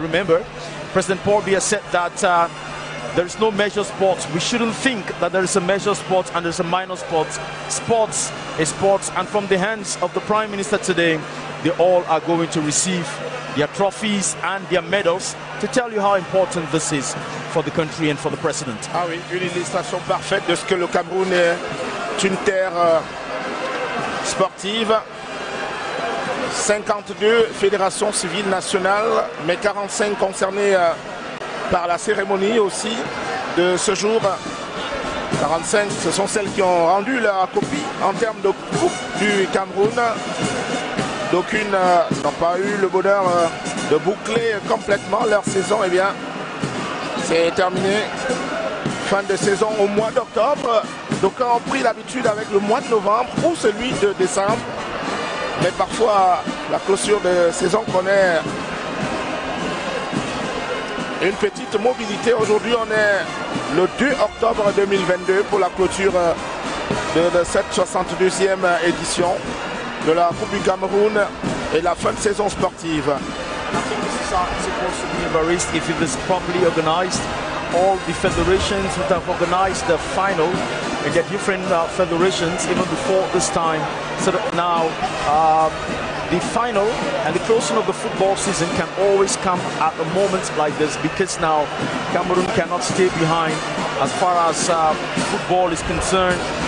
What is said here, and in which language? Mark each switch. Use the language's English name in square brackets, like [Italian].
[English] Remember, President Paul Biya said that there is no major sport. We shouldn't think that there is a major sport and there's a minor sport. Sports is sports. And from the hands of the Prime Minister today, they all are going to receive their trophies and their medals to tell you how important this is for the country and for the president. [French] Ah oui, une illustration parfaite de ce que le Cameroun est une terre sportive. 52 fédérations civiles nationales, mais 45 concernées par la cérémonie aussi de ce jour. 45, ce sont celles qui ont rendu leur copie en termes de Coupe du Cameroun. D'aucune n'ont pas eu le bonheur de boucler complètement leur saison. Eh bien, c'est terminé. Fin de saison au mois d'octobre. D'aucuns ont pris l'habitude avec le mois de novembre ou celui de décembre. Mais parfois, la clôture de saison connaît une petite mobilité. Aujourd'hui, on est le 2 octobre 2022 pour la clôture de cette 62e édition de la Coupe du Cameroun et la fin de saison sportive. [English] I think this is supposed to be embarrassed if it is properly organized. All the federations that have organized the final and their different federations even before this time, so that now the final and the closing of the football season can always come at a moment like this, because now Cameroon cannot stay behind as far as football is concerned.